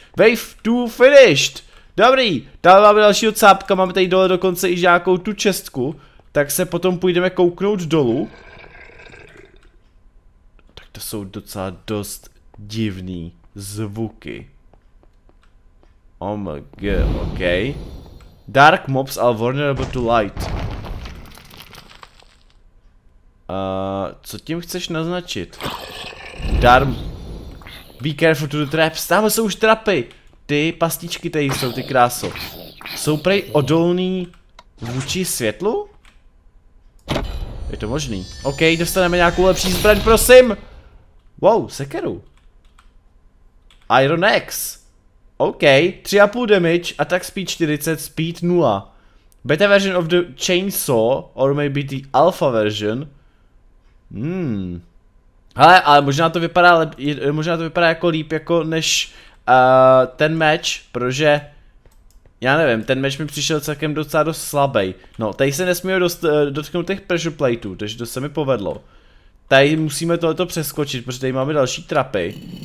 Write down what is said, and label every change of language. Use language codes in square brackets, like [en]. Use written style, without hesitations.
[en] Wave 2 finished! [cs] Dobrý, tady máme dalšího cápka, máme tady dole dokonce i nějakou tu čestku. Tak se potom půjdeme kouknout dolů. Tak to jsou docela dost divný zvuky. [en] Oh my god, ok. Dark mobs are vulnerable to light. [cs] Co tím chceš naznačit? Darm... [en] Be careful to the traps, [cs] tam jsou už trapy! Ty pastičky tady jsou, ty kráso. Jsou prej odolný vůči světlu? Je to možný. OK, dostaneme nějakou lepší zbraň, prosím! Wow, sekeru. Iron Axe. [en] OK, 3,5 damage, attack speed 40, speed 0. Beta version of the chainsaw, or maybe the alpha version. [cs] Hele, ale možná to vypadá jako líp jako než ten meč, protože já nevím, ten meč mi přišel celkem docela dost slabý. No, tady se nesmíme dotknout těch pressure plateů, takže to se mi povedlo. Tady musíme tohleto přeskočit, protože tady máme další trapy.